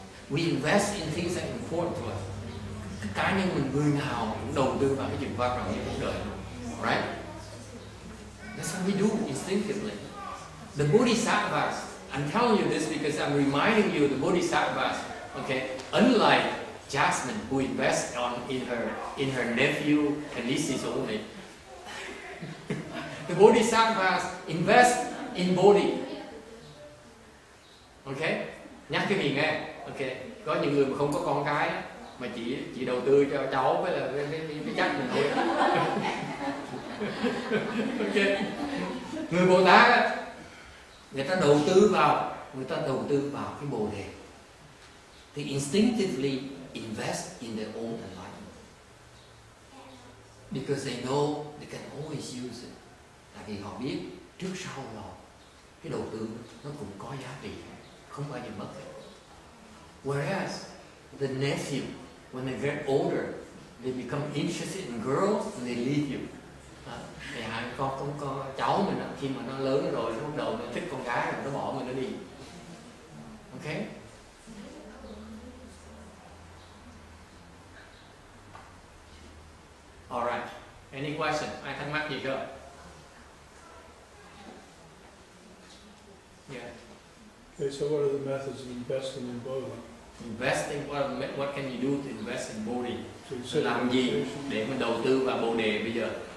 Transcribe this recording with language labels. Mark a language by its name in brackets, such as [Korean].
[English] We invest in things that are important to us. [Vietnamese] Cá nhân mình người nào cũng đầu tư vào cái chuyện quan trọng nhất cuộc đời, right? [English] That's what we do instinctively. The Bodhisattvas, I'm telling you this because I'm reminding you the Bodhisattvas, okay? Unlike Jasmine who invests in her nephew and nieces only, the Bodhisattvas invest in Bodhi, okay? [Vietnamese] Nhắc cái gì nghe, okay? Có những người mà không có con cái mà chỉ đầu tư cho cháu với là cái chắc mình thôi. Okay. Người Bồ Tát người ta đầu tư vào cái Bồ Đề thì [English] instinctively invest in their own enlightenment because they know they can always use it. [Vietnamese] Tại vì họ biết trước sau là cái đầu tư nó cũng có giá trị, không bao giờ mất được. [English] Whereas the nephew, when they get older, they become interested in girls and they leave you. [Vietnamese] Thì hai con có cháu mình đó, khi mà nó lớn rồi nó bắt đầu nó thích con gái rồi nó bỏ mình nó đi. [English] Ok. Alright, any question? [Vietnamese] Ai thắc mắc gì chưa? [English] Yeah. Okay, so what are the methods of investing in Bodhi? Investing, what can you do to invest in Bodhi? [Vietnamese] So làm gì để mà đầu tư vào Bồ Đề bây giờ?